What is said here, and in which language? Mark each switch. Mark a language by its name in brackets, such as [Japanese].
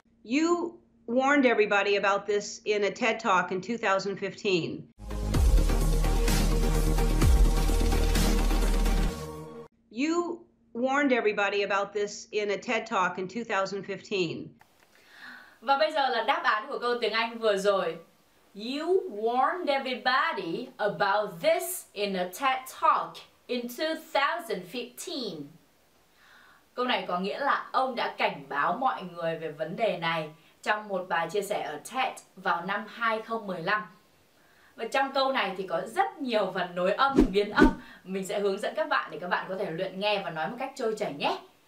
[English] You warned everybody about this in a TED talk in 2015. You warned everybody about this in a TED talk in 2015. [Vietnamese] Và bây giờ là đáp án của câu tiếng Anh vừa rồi. [English] You warned everybody about this in a TED talk in 2015. [Vietnamese] Câu này có nghĩa là ông đã cảnh báo mọi người về vấn đề này trong một bài chia sẻ ở TED vào năm 2015. Và trong câu này thì có rất nhiều phần nối âm, biến âm. Mình sẽ hướng dẫn các bạn để các bạn có thể luyện nghe và nói một cách trôi chảy nhé.